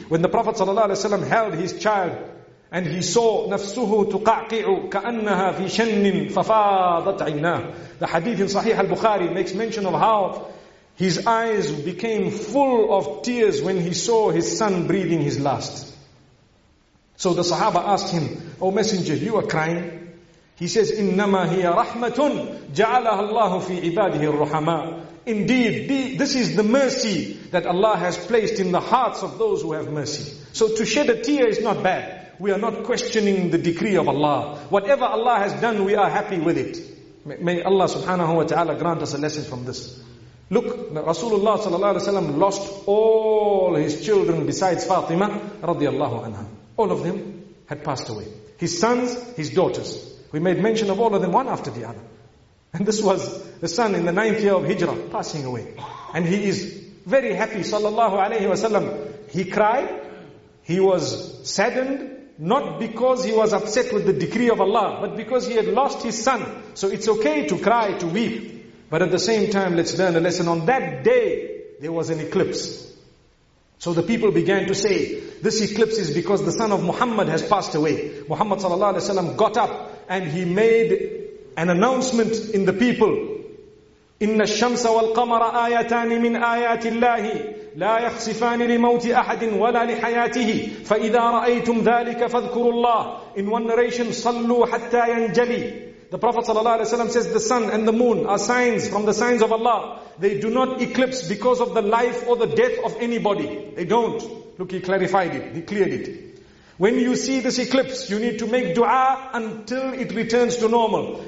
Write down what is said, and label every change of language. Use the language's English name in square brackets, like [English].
[English] When the Prophet sallallahu alayhi wa sallam held his child and he saw [Arabic] نفسه تقعقع كأنها في شن ففاضت عيناه. [English] The hadith in Sahih al-Bukhari makes mention of how his eyes became full of tears when he saw his son breathing his last. So the Sahaba asked him, O Messenger, you are crying? He says, [Arabic] إِنَّمَا هِيَ رَحْمَةٌ جَعَلَهَا اللَّهُ فِي عِبَادِهِ الرُّحَمَاءِ. [English] Indeed, this is the mercy that Allah has placed in the hearts of those who have mercy. So to shed a tear is not bad. We are not questioning the decree of Allah. Whatever Allah has done, we are happy with it. May Allah subhanahu wa ta'ala grant us a lesson from this. Look, Rasulullah sallallahu alayhi wa sallam lost all his children besides Fatima radiyallahu anha. All of them had passed away. His sons, his daughters. We made mention of all of them one after the other. And this was the son in the 9th year of Hijrah passing away. And he is very happy sallallahu alayhi wa sallam. He cried, he was saddened, not because he was upset with the decree of Allah, but because he had lost his son. So it's okay to cry, to weep. But at the same time, let's learn a lesson. On that day, there was an eclipse. So the people began to say, this eclipse is because the son of Muhammad has passed away. Muhammad sallallahu alayhi wa sallam got up and he made an announcement in the people. [Arabic] إن الشمس والقمر آيتان من آيات الله لا يخسفان لموت أحد ولا لحياته فإذا رأيتم ذلك فاذكروا الله. [English] In one narration, [Arabic] صلوا حتى ينجلي. [English] The Prophet sallallahu alaihi wasallam says, the sun and the moon are signs from the signs of Allah. They do not eclipse because of the life or the death of anybody. They don't. Look, he clarified it. He cleared it. When you see this eclipse, you need to make dua until it returns to normal.